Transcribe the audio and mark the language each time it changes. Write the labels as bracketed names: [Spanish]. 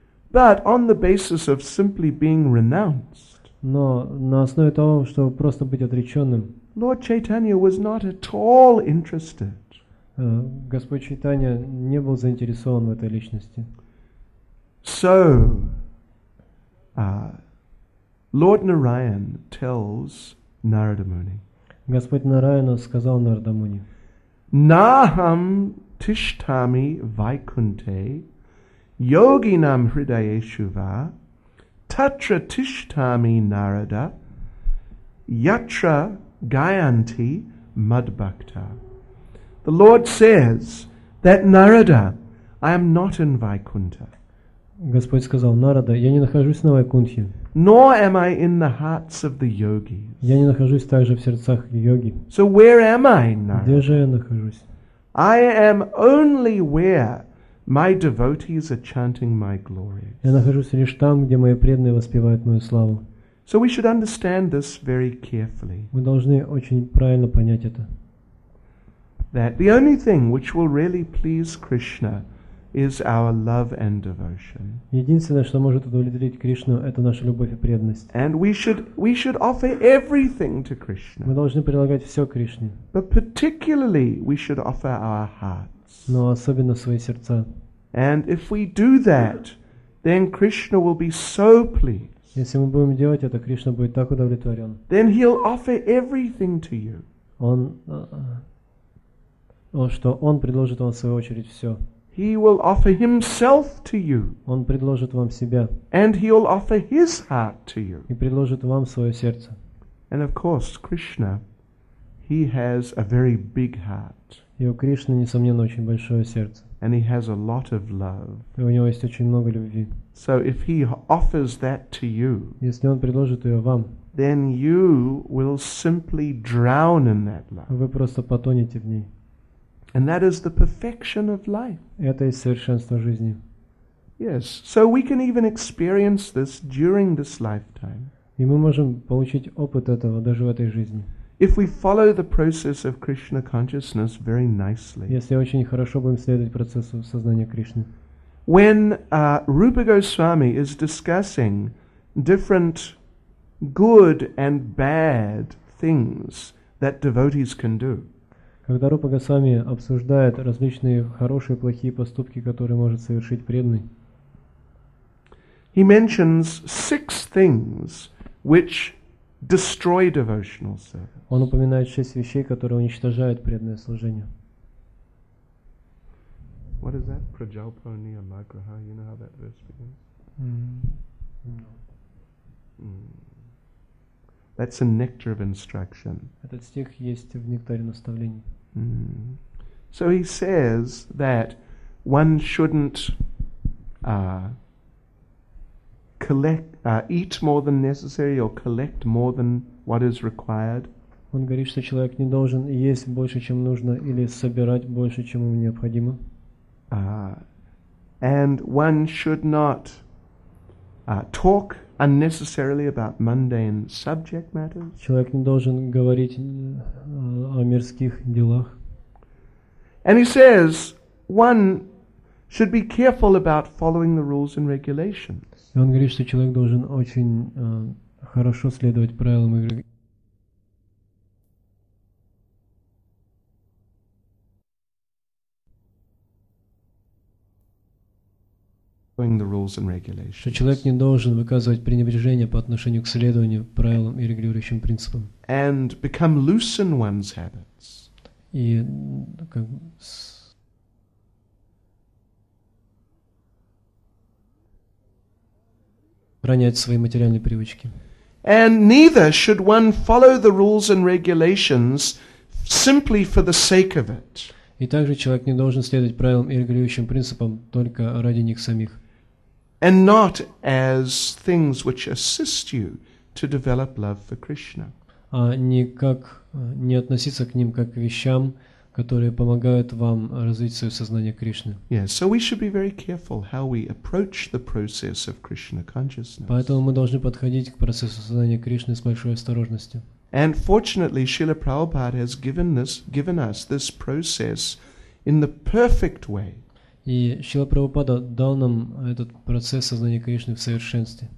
[English] But on the basis of simply being renounced. [Russian] Но на основе того, чтобы просто быть отреченным. [English] Lord Chaitanya was not at all interested. [Russian] Господь Чайтанья не был заинтересован в этой личности. [English] So Lord Narayan tells Narada Muni. [Russian] Господь Нараяна сказал Нарада Муни. [Sanskrit] Naham Tishtami Vaikunte Yoginam Hridayeshuva Tatra Tishtami Narada Yatra Gayanti Madbhakta. [English] The Lord says that Narada, I am not in Vaikunta. [Russian] Господь сказал, Нарада, я не нахожусь на Вайкунте. [English] Nor am I in the hearts of the yogis. [Russian] Я не нахожусь также в сердцах йоги. [English] So where am I, Narada? [Russian] Где же я нахожусь? [English] I am only where my devotees are chanting my glories. [Russian] Я нахожусь лишь там, где мои преданные воспевают мою славу. [English] So we should understand this very carefully. [Russian] Мы должны очень правильно понять это. [English] That the only thing which will really please Krishna is our love and devotion. [Russian] Единственное, что может удовлетворить Кришну, это наша любовь и преданность. [English] And we should offer everything to Krishna. [Russian] Мы должны предлагать все Кришне. [English] But particularly we should offer our hearts. [Russian] Но особенно свои сердца. [English] And if we do that, then Krishna will be so pleased. [Russian] Если мы будем делать это, Кришна будет так удовлетворен. [English] Then he'll offer everything to you. [Russian] Он предложит вам в свою очередь все. [English] He will offer himself to you. [Russian] Он предложит вам себя. [English] And he will offer his heart to you. [Russian] И предложит вам свое сердце. [English] And of course, Krishna, he has a very big heart. [Russian] И у Кришны, несомненно, очень большое сердце. [English] And he has a lot of love. [Russian] И у него есть очень много любви. [English] So if he offers that to you, [Russian] если он предложит ее вам, [English] then you will simply drown in that love. [Russian] Вы просто потонете в ней. [English] And that is the perfection of life. [Russian] Это и совершенство жизни. [English] Yes. So we can even experience this during this lifetime. [Russian] И мы можем получить опыт этого даже в этой жизни. [English] If we follow the process of Krishna consciousness very nicely. [Russian] Если очень хорошо будем следовать процессу сознания Кришны. [English] When Rupa Goswami is discussing different good and bad things that devotees can do. [Russian] Когда Рупа Госвами обсуждает различные хорошие и плохие поступки, которые может совершить преданный, [English] he mentions six things which destroy devotional service. [Russian] Он упоминает шесть вещей, которые уничтожают преданное служение. [English] What is that? [Sanskrit] Prajalpo niyamagraha. [English] You know how that verse begins? That's a nectar of instruction. [Russian] Этот стих есть в нектаре наставлений. [English] So he says that one shouldn't eat more than necessary or collect more than what is required. [Russian] Он говорит, что человек не должен есть больше, чем нужно, или собирать больше, чем ему необходимо. [English] And one should not talk unnecessarily about mundane subject matters. [Russian] Человек не должен говорить о мирских делах. [English] And he says one should be careful about following the rules and regulations. [Russian] И он говорит, что человек должен очень хорошо следовать правилам игры. [English] The rules and regulations. [Russian] Что человек не должен выказывать пренебрежение по отношению к следованию правилам и регулирующим принципам. [English] And become loose in one's habits. [Russian] И как ронять свои материальные привычки. [English] And neither should one follow the rules and regulations simply for the sake of it. [Russian] И также человек не должен следовать правилам и регулирующим принципам только ради них самих. [English] And not as things which assist you to develop love for Krishna. [Russian] А не как не относиться к ним как к вещам, которые помогают вам развить свое сознание Кришны. [English] Yes, so we should be very careful how we approach the process of Krishna consciousness. [Russian] Поэтому мы должны подходить к процессу сознания Кришны с большой осторожностью. [English] And fortunately, Srila Prabhupada has given us this process in the perfect way. [Russian] И Шрила Прабхупада дал нам этот процесс сознания Кришны в совершенстве.